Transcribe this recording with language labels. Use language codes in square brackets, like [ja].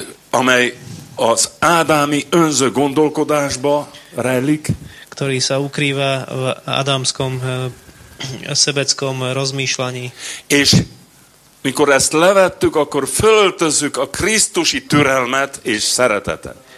[hu] Amely az ádámi önző gondolkodásba rejlik. [sk] Ktorý sa ukrýva v adamskom sebeckom rozmýšľaní. [hu] És mikor ezt levettük, akkor föltözzük a Krisztusi türelmet és szeretetet.